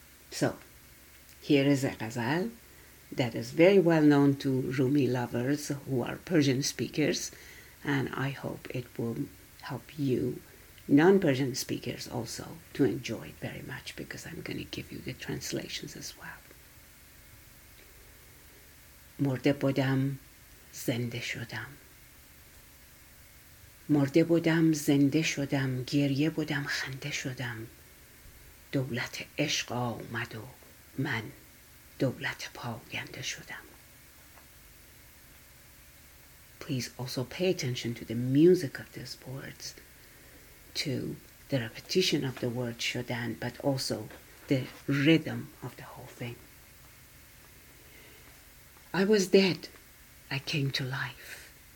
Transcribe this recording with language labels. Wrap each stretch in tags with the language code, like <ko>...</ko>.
<en>So, here is a ghazal that is very well known to Rumi lovers who are Persian speakers, and I hope it will help you non-Persian speakers also to enjoy it very much, because I'm going to give you the translations as well.</en> <fa>مرده بودم زنده شدم مرده بودم زنده شدم گریه بودم خنده شدم دولت عشق آمد و من دولت پاینده شدم.</fa> <en>Please also pay attention to the music of these words to the repetition of the word Shodan, but also the rhythm of the whole thing. I was dead. I came to life.</en>